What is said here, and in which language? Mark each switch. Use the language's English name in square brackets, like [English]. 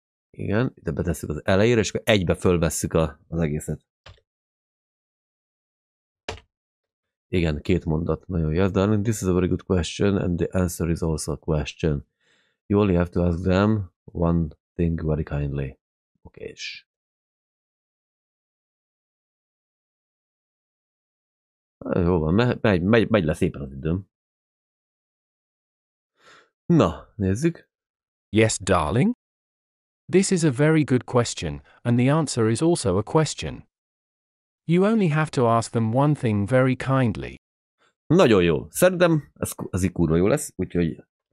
[Hungarian] Igen, ide betesszük az elejére, és akkor egybe fölvesszük az egészet. Igen, két mondat. Nagyon jó. [English] Yes, darling, this is a very good question, and the answer is also a question. You only have to ask them one thing very kindly. [Hungarian] Oké, és... Jó van, megy le szépen az időm. Na, nézzük. [English] Yes, darling, this is a very good question, and the answer is also a question. You only have to ask them one thing very kindly. [Hungarian] Nagyon jó. Szerintem ez így kurva jó lesz, úgyhogy...